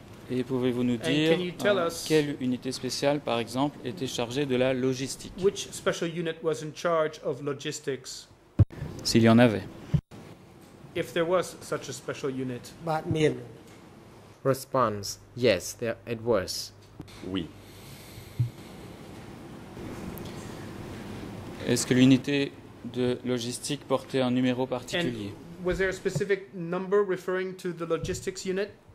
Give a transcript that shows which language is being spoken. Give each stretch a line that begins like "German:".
French: Et pouvez-vous nous dire quelle unité spéciale, par exemple, était chargée de la logistique?
English: Which special unit was in charge of logistics?
French: S'il y en avait.
English: If there was such a special unit. But mean. Response. Yes, there it was.
French: Oui. Est-ce que l'unité de logistique portait un numéro particulier?
English: And was there a specific number referring to the logistics unit?